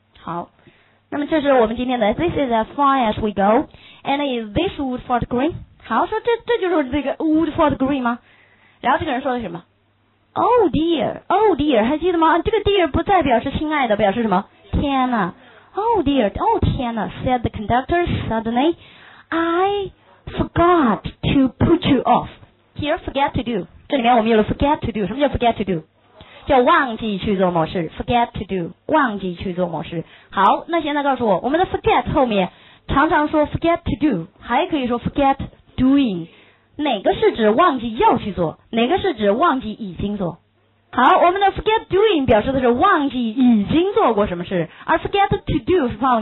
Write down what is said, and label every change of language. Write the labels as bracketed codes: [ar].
[zh] 好，那么这是我们今天的 [en] This is as far as we go And is this Woodford Green [zh] 好，说这就是这个 [en] Woodford Green 吗？ [zh] 然后这个人说了什么 [en] Oh dear Oh dear [zh] 还记得吗？这个 dear 不再表示亲爱的，表示什么？天哪 [en] Oh dear Oh 天哪 Said the conductor suddenly I forgot to put you off Here forget to do [zh] 这里面我们有了 [en] forget to do [zh] 什么叫 [en] forget to do？ [zh] 叫忘记去做某事 forget to do 忘记去做某事好那现在告诉我我们的 forget 后面常常说 forget to do 还可以说 forget doing 哪个是指忘记要去做哪个是指忘记已经做好我们的 forget doing 表示的是忘记已经做过什么事而 forget to do 是